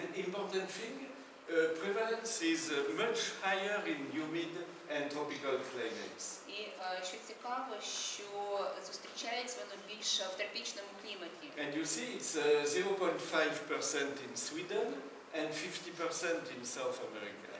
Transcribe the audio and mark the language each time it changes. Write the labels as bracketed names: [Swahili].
[English] And important thing, prevalence is much higher in humid and tropical climates. [Ukrainian] І що цікаво, що зустрічається воно більше в тропічному кліматі. [English] And you see, it's 0.5% in Sweden and 50% in South America.